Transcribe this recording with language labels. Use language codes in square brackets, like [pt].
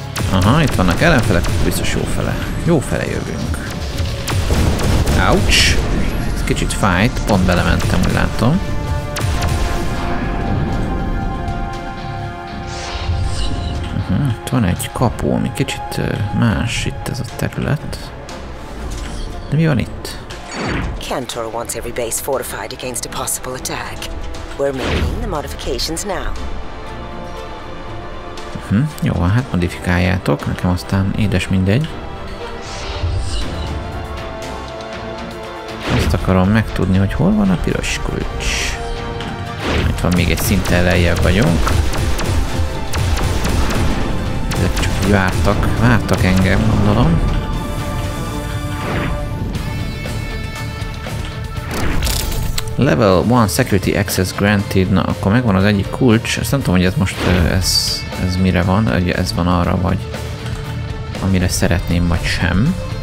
[hu] Aha, itt vannak ellenfelek, biztos jó fele. Jó fele jövünk. Ouch! Ez kicsit fájt, pont belementem, úgy látom. Itt van egy kapu, ami kicsit más itt ez a terület. De mi van itt? [en] Cantor wants every base fortified against a possible attack. We're making the modifications now. [hu] Jó, hát modifikáljátok, nekem aztán édes mindegy. Azt akarom megtudni, hogy hol van a piros kulcs. Itt van még egy szinten lejjebb vagyunk. Ezek csak így vártak, vártak engem, gondolom. [en] Level 1 security access granted. [hu] Na, akkor megvan az egyik kulcs. Ezt nem tudom, hogy ez most ez mire van, hogy ez van arra, vagy amire szeretném, vagy sem.